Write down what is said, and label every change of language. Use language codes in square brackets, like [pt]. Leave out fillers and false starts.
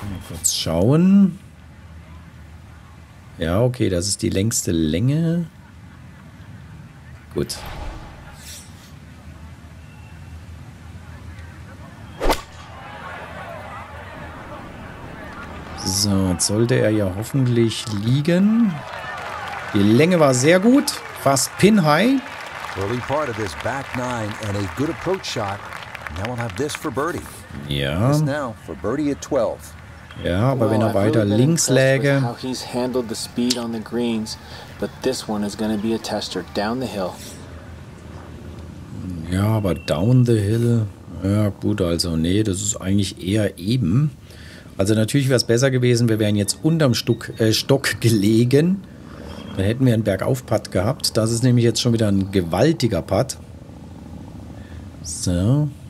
[de] Kurz schauen. Ja, okay, das ist die längste Länge. Gut. So, jetzt sollte er ja hoffentlich liegen. Die Länge war sehr gut. Fast pin high. [en] Early part of this back nine and a good approach shot. Now we'll have this for birdie. [de] Ja. [en] This now for birdie at 12. [de] Ja, aber wenn er weiter links läge. [en] How he's handled the speed on the greens, but this one is going to be a tester down the hill. [de] Ja, aber [en] down the hill. [de] Ja, gut, also nee, das ist eigentlich eher eben. Also natürlich wäre es besser gewesen, wir wären jetzt unterm Stock gelegen. Dann hätten wir einen Bergauf-Putt gehabt. Das ist nämlich jetzt schon wieder ein gewaltiger Putt. So.